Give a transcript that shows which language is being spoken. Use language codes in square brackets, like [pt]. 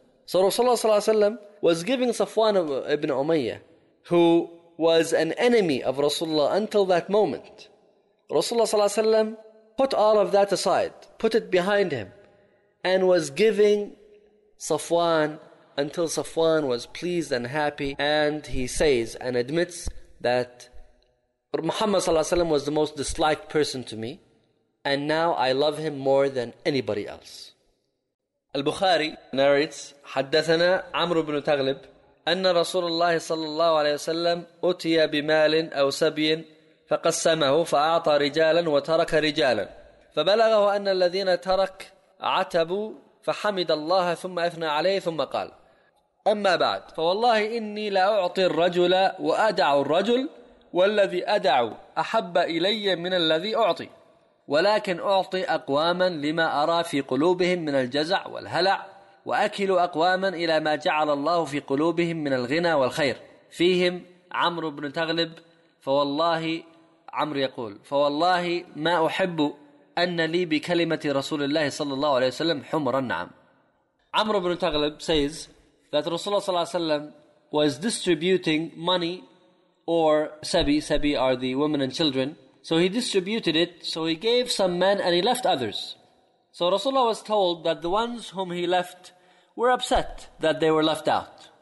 [en] So Rasulullah ﷺ was giving Safwan ibn Umayyah, who was an enemy of Rasulullah until that moment, Rasulullah ﷺ put all of that aside, put it behind him, and was giving Safwan until Safwan was pleased and happy, and he says and admits that Muhammad sallallahu alaihi wasallam was the most disliked person to me, and now I love him more than anybody else. Al-Bukhari narrates, [ar] حَدَّثَنَا عَمْرُ بْنُ تَغْلِبْ أَنَّ رَسُولَ اللَّهِ صَلَّى اللَّهُ عَلَيْهِ وَسَلَّمْ أُتِيَ بِمَالٍ أَوْ سَبِيٍ فقسمه فأعطى رجالا وترك رجالا فبلغه أن الذين ترك عتبوا فحمد الله ثم أثنى عليه ثم قال أما بعد فوالله إني لا أعطي الرجل وأدع الرجل والذي أدع أحب إلي من الذي أعطي ولكن أعطي أقواما لما أرى في قلوبهم من الجزع والهلع وأكل أقواما إلى ما جعل الله في قلوبهم من الغنى والخير فيهم عمرو بن تغلب فوالله عمرو يقول فوالله ما أحب أن لي بكلمة رسول الله صلى الله عليه وسلم حمر النعم. [en] Amr ibn Taghlib says that Rasulullah صلى الله عليه وسلم was distributing money or sabi are the women and children. So he distributed it. So he gave some men and he left others. So Rasulullah was told that the ones whom he left were upset that they were left out.